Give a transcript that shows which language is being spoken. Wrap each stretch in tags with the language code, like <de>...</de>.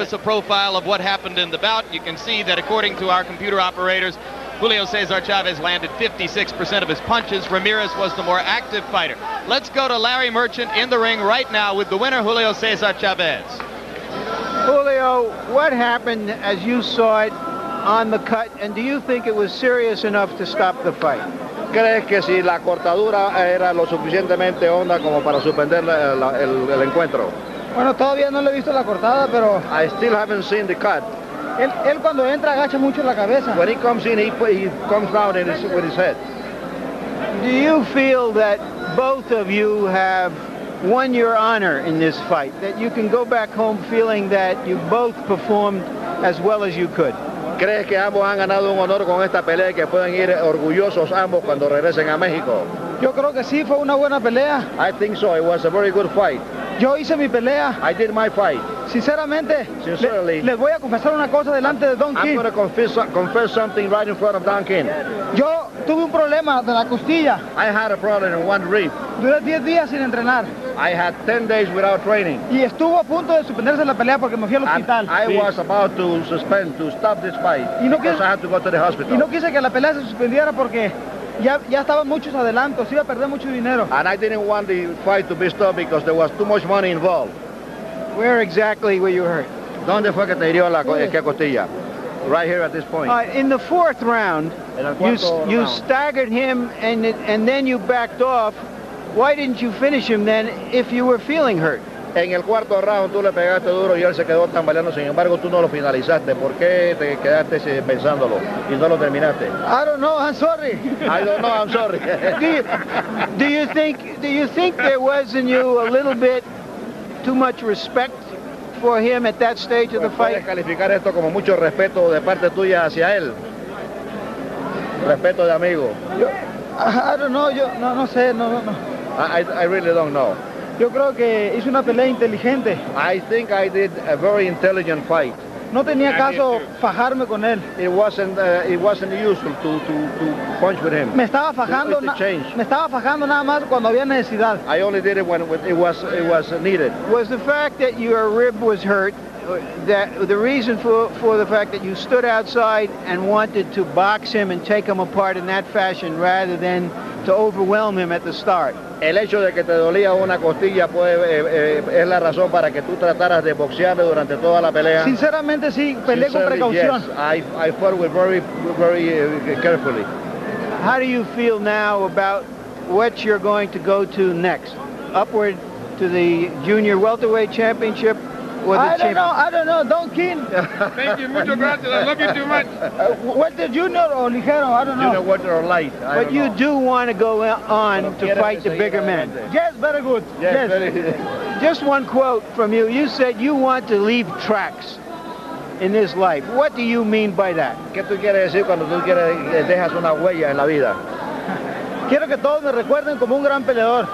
<en>Give us a profile of what happened in the bout. You can see that according to our computer operators, Julio Cesar Chavez landed 56% of his punches. Ramirez was the more active fighter. Let's go to Larry Merchant in the ring right now with the winner, Julio Cesar Chavez. Julio, what happened as you saw it on the cut, and do you think it was serious enough to stop the fight?</en> <es>¿Crees que si la cortadura era lo suficientemente honda como para suspender el encuentro? Bueno, todavía no le he visto la cortada, pero...</es> <en>I still haven't seen the cut.</en> <es>Él cuando entra agacha mucho la cabeza.</es> <en>When he comes in, he comes down in with his head. Do you feel that both of you have won your honor in this fight? That you can go back home feeling that you both performed as well as you could?</en> <es>¿Crees que ambos han ganado un honor con esta pelea y que pueden ir orgullosos ambos cuando regresen a México? Yo creo que sí, fue una buena pelea.</es> <en>I think so. It was a very good fight.</en> <es>Yo hice mi pelea.</es> <en>I did my fight.</en> <es>Sinceramente,</es> <en>sincerely,</en> <es>les voy a confesar una cosa delante de Don King.</es> <en>I'm going to confess something right in front of Don King.</en> <es>Yo tuve un problema de la costilla.</es> <en>I had a problem in one rib.</en> <es>Duré 10 días sin entrenar.</es> <en>I had 10 days without training.</en> <es>Y estuvo a punto de suspenderse la pelea porque me fui al hospital.</es> <en>And I was about to suspend, to stop this fight.</en> <es>Y no quise,</es> <en>because I had to go to the hospital.</en> <es>Y no quise que la pelea se suspendiera porque... Ya estaban muchos adelantos, iba a perder mucho dinero.</es> <en>And I didn't want the fight to be stopped because there was too much money involved. Where exactly were you hurt?</en> <es>¿Dónde fue que te hirió la costilla?</es> <en>right here at this point. In the fourth round, you staggered him and then you backed off. Why didn't you finish him then if you were feeling hurt?</en> <es>En el cuarto round tú le pegaste duro y él se quedó tambaleando. Sin embargo, tú no lo finalizaste. ¿Por qué te quedaste pensándolo y no lo terminaste?</es> <en>I don't know. I'm sorry. I don't know. I'm sorry. Do you think there was in you a little bit too much respect for him at that stage of the fight?</en> <es>¿Puedes calificar esto como mucho respeto de parte tuya hacia él? Respeto de amigo.</es> <en>I don't know.</en> <es>No sé.</es> <en>I really don't know.</en> <es>Yo creo que hice una pelea inteligente.</es> <en>I think I did a very intelligent fight.</en> <es>No tenía caso fajarme con él.</es> <en>It wasn't useful to punch with him.</en> <es>Me estaba fajando. Me estaba fajando nada más cuando había necesidad.</es> <en>I only did it when it was needed. Was the fact that your rib was hurt that the reason for the fact that you stood outside and wanted to box him and take him apart in that fashion rather than to overwhelm him at the start?</en> <es>El hecho de que te dolía una costilla es la razón para que tú trataras de boxearle durante toda la pelea. Sinceramente sí, peleé con precaución.</es> <en>Yes, I fought with very, very carefully. How do you feel now about what you're going to go to next? Upward to the junior welterweight championship? I don't know. Don't kid. Thank you.</en> <es>Mucho gracias.</es> <en>I love you too much. What the junior or ligero? I don't know. Junior, what or light? But you do want to go on to fight the bigger men. Yes, very good. Yes. Just one quote from you. You said you want to leave tracks in this life. What do you mean by that?</en> <es>¿Qué tú quieres decir cuando tú quieres dejas una huella en la vida? Quiero que todos me recuerden como un gran peleador.</es>